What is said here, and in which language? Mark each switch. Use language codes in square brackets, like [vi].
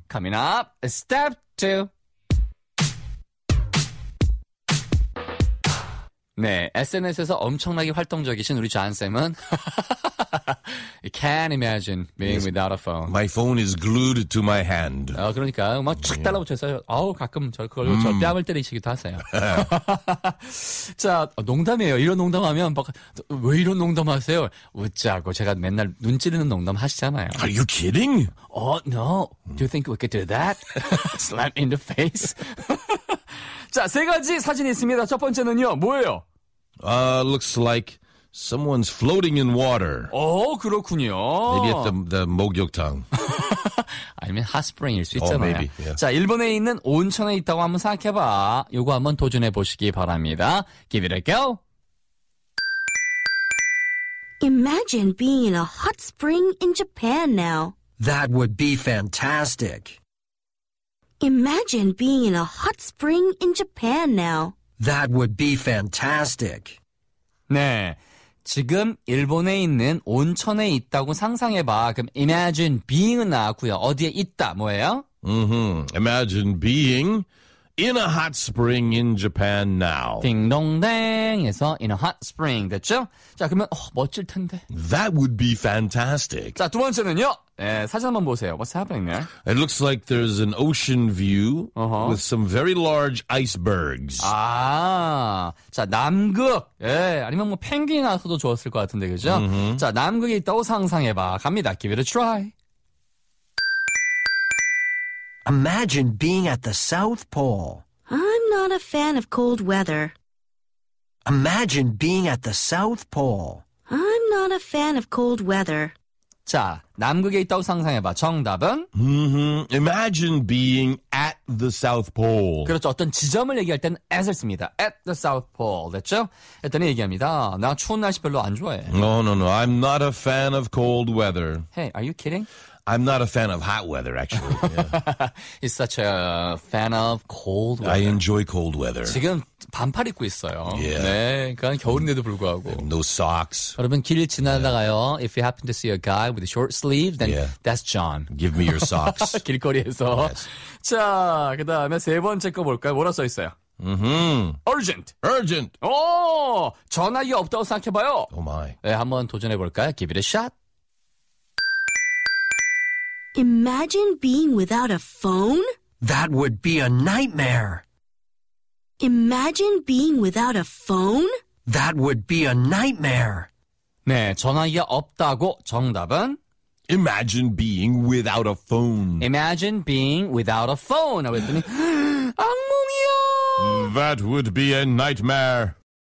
[en] Coming up, step two. [ko] 네, SNS에서 엄청나게 활동적이신 우리 잔쌤은 [en] can't imagine being without a phone. My phone is glued to my hand. [ko] 아, 그러니까 막 촥 달라붙여서 아우 가끔 저 그걸 저 뺨을 때리시기도 하세요. 자, 농담이에요. 이런 농담하면 막 왜 이런 농담하세요? 웃자고 제가 맨날 눈 찌르는 농담 하시잖아요. [en] Are you kidding? Oh no. Do you think we could do that? Slap in the face. [ko] 자, 세 가지 사진 있습니다. 첫 번째는요, 뭐예요? [en] Looks like someone's floating in water. [ko] 오, 그렇군요. [en] Maybe at the 목욕탕. [ko] 아니면 hot spring일 수 있잖아요. [en] Maybe. Yeah. [ko] 자, 일본에 있는 온천에 있다고 한번 생각해봐. 요거 한번 도전해 보시기 바랍니다. [en] Give it a go. Imagine being in a hot spring in Japan now. That would be fantastic. Imagine being in a hot spring in Japan now. That would be fantastic. [ko] 네, 지금 일본에 있는 온천에 있다고 상상해봐. 그럼 imagine being은 나왔고요. 어디에 있다, 뭐예요? Mm-hmm. [en] Imagine being in a hot spring in Japan now. [ko] 딩동댕에서 in a hot spring, 됐죠? 자, 그러면 멋질 텐데. [en] That would be fantastic. [ko] 자, 두 번째는요. 예, 사진 한번 보세요. [en] What's happening there? It looks like there's an ocean view with some very large icebergs. [ko] 아, 자, 남극. 예, 아니면 뭐 펭귄이 나서도 좋았을 것 같은데, 그죠? Mm-hmm. 자, 남극이 있다고 상상해봐. 갑니다. [en] Give it a try. Imagine being at the South Pole. I'm not a fan of cold weather. Imagine being at the South Pole. I'm not a fan of cold weather. [ko] 자, 남극에 있다고 상상해봐. 정답은? Mm-hmm. [en] Imagine being at the South Pole. [ko] 그렇죠. 어떤 지점을 얘기할 땐 at을 씁니다. [en] At the South Pole. [ko] 됐죠? 했더니 얘기합니다. 나 추운 날씨 별로 안 좋아해. [en] No, no, no. I'm not a fan of cold weather. Hey, are you kidding? I'm not a fan of hot weather, actually. Yeah. He's such a fan of cold weather. I enjoy cold weather. [ko] 지금 반팔 입고 있어요. [en] Yeah. [ko] 네, 그건 겨울인데도 불구하고. [en] No socks. [ko] 여러분, 길 지나다가요. Yeah. [en] If you happen to see a guy with a short sleeve, then that's John. Give me your socks. [ko] 길거리에서. [en] Yes. [ko] 자, 그 다음에 세 번째 거 볼까요? 뭐라 써 있어요? Mm-hmm. [en] Urgent. Urgent. [ko] 오, 전화기 없다고 생각해봐요. [en] Oh, my. [ko] 네, 한번 도전해볼까요? [en] Give it a shot. Imagine being without a phone? That would be a nightmare. Imagine being without a phone? That would be a nightmare. 네, 전화기가 없다고 정답은? Imagine being without a phone. Imagine being without a phone. [ko] 아, 그랬더니, 악몽이야! [en] That would be a nightmare.